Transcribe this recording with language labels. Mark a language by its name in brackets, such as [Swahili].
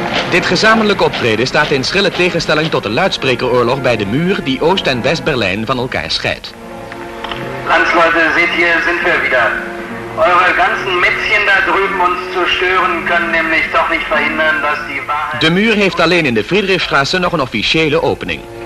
[Dutch] Dit gezamenlijke optreden staat in schrille tegenstelling tot de luidsprekeroorlog bij de muur die Oost- en West-Berlijn van elkaar scheidt. [German] Landsleute, seht ihr, sind wir wieder. Eure ganzen Mätzchen da drüben uns zu stören, können nämlich doch nicht verhindern, dass die Wahrheit... [Dutch] De muur heeft alleen in de Friedrichstraße nog een officiële opening.